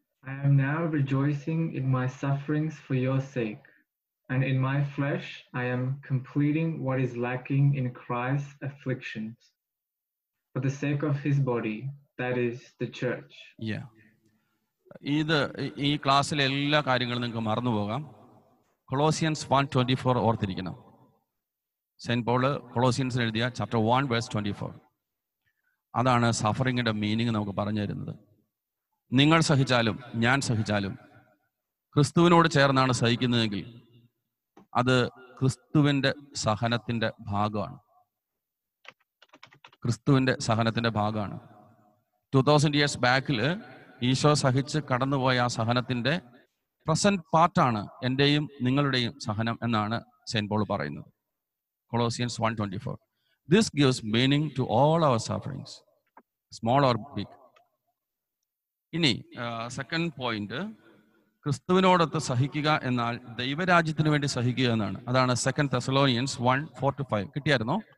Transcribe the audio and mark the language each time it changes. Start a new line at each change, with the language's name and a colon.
English: I am now rejoicing in my sufferings for your sake, and in my flesh I am completing what is lacking in Christ's afflictions for the sake of his body, that is the church.
Malayalam: Yeah, ഇത് ഈ ക്ലാസ്സിലെ എല്ലാ കാര്യങ്ങളും നിങ്ങൾക്ക് മറന്നു പോകാം. കൊളോസിയൻസ് 1:24 ഓർത്തിരിക്കണം. Saint Paul കൊളോസിയൻസ് എഴുതിയ ചാപ്റ്റർ 1:24 അതാണ് സഫറിങ്ങിന്റെ മീനിങ് നമുക്ക് പറഞ്ഞു തരുന്നത്. നിങ്ങൾ സഹിച്ചാലും ഞാൻ സഹിച്ചാലും ക്രിസ്തുവിനോട് ചേർന്നാണ് സഹിക്കുന്നതെങ്കിൽ അത് ക്രിസ്തുവിൻ്റെ സഹനത്തിൻ്റെ ഭാഗമാണ്. ക്രിസ്തുവിൻ്റെ സഹനത്തിൻ്റെ ഭാഗമാണ്.
English: 2000 years back
Malayalam: ഈശോ സഹിച്ച് കടന്നുപോയ ആ സഹനത്തിൻ്റെ പ്രസൻറ്റ് പാർട്ടാണ് എൻ്റെയും നിങ്ങളുടെയും സഹനം എന്നാണ് സെയിന്റ് പോൾ പറയുന്നത്. കൊളോസിയൻസ് 1:24.
English: This gives meaning to all our sufferings, small or big.
Malayalam: ഇനി സെക്കൻഡ് പോയിന്റ്, ക്രിസ്തുവിനോടൊത്ത് സഹിക്കുക എന്നാൽ ദൈവരാജ്യത്തിന് വേണ്ടി സഹിക്കുക എന്നാണ്. അതാണ് 2 Thessalonians 1:4-5 കിട്ടിയായിരുന്നു.